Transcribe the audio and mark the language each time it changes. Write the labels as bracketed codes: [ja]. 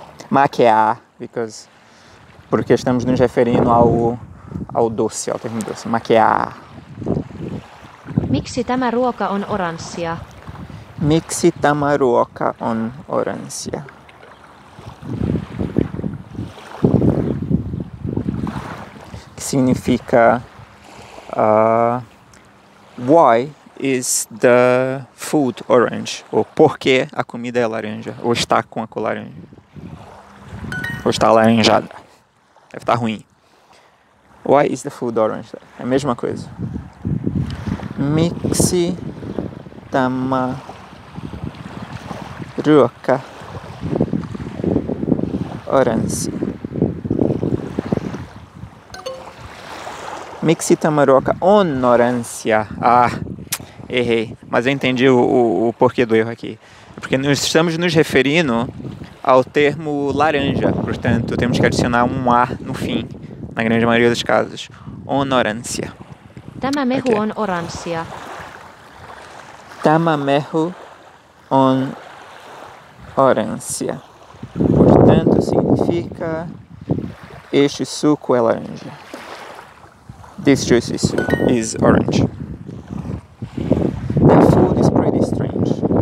[pt] Makea, porque estamos nos referindo ao doce, ao termo doce. [fi] Makea. Miksi tämä ruoka on oranssia? Miksi tämä ruoka on oranssia? [pt] Que significa [en] why is the food orange? [pt] Ou por que a comida é laranja? Ou está com a cor laranja? Ou está alaranjada? Deve estar ruim. [en] Why is the food orange? [pt] É a mesma coisa. [fi] Miksi tämä ruoka. Oranssi. Miksi tämä ruoka on oranssia? [pt] Ah, errei. Mas eu entendi o porquê do erro aqui. Porque nós estamos nos referindo ao termo laranja. Portanto, temos que adicionar um A no fim, na grande maioria dos casos. [fi] On oranssia. Tämä mehu on oranssia. Tämä mehu on oranssia. [pt] Portanto, significa este suco é laranja. [en] This juice is orange. The food is pretty strange.